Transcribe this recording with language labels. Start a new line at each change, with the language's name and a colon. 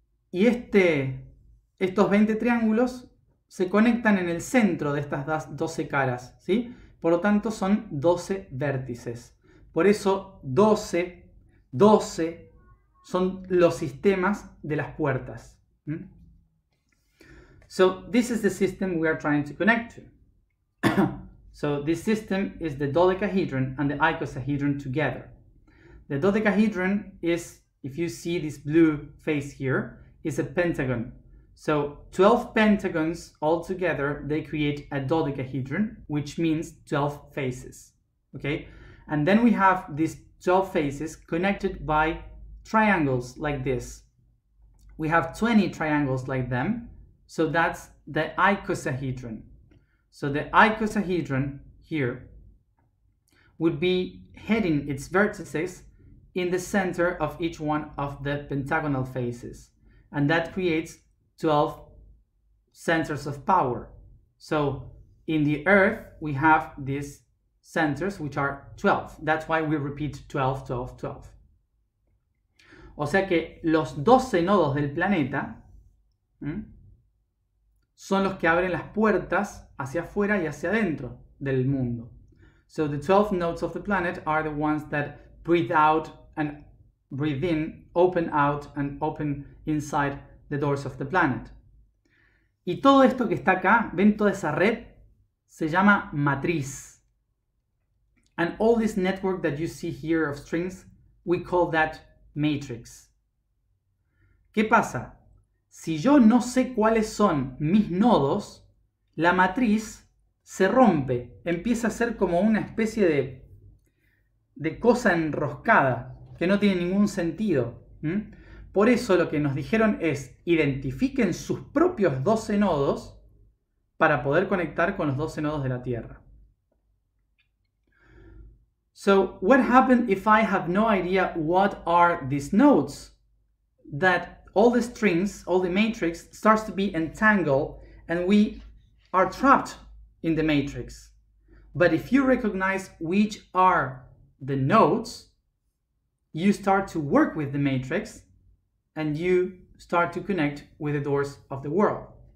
Spanish: Y estos 20 triángulos se conectan en el centro de estas 12 caras, ¿sí? Por lo tanto, son 12 vértices. Por eso, 12, 12 son los sistemas de las puertas.
English: So, this is the system we are trying to connect to. So, this system is the dodecahedron and the icosahedron together. The dodecahedron is, if you see this blue face here, is a pentagon. So 12 pentagons all together, they create a dodecahedron, which means 12 faces. Okay? And then we have these 12 faces connected by triangles like this. We have 20 triangles like them. So that's the icosahedron. So the icosahedron here would be heading its vertices in the center of each one of the pentagonal faces. And that creates 12 centers of power. So in the earth, we have these centers, which are 12. That's why we repeat 12, 12, 12.
Spanish: O sea que los 12 nodos del planeta son los que abren las puertas hacia afuera y hacia adentro del mundo.
English: So the 12 nodes of the planet are the ones that breathe out and breathe in, open out and open inside the doors of the planet.
Spanish: Y todo esto que está acá, ven toda esa red, se llama matriz.
English: And all this network that you see here of strings, we call that matrix.
Spanish: ¿Qué pasa? Si yo no sé cuáles son mis nodos, la matriz se rompe, empieza a ser como una especie de cosa enroscada, que no tiene ningún sentido. Por eso lo que nos dijeron es, identifiquen sus propios 12 nodos para poder conectar con los 12 nodos de la Tierra.
English: So, what happened if I have no idea what are these nodes? That all the strings, all the matrix, starts to be entangled and we are trapped in the matrix. But if you recognize which are the nodes, you start to work with the matrix and you start to connect with the doors of the world.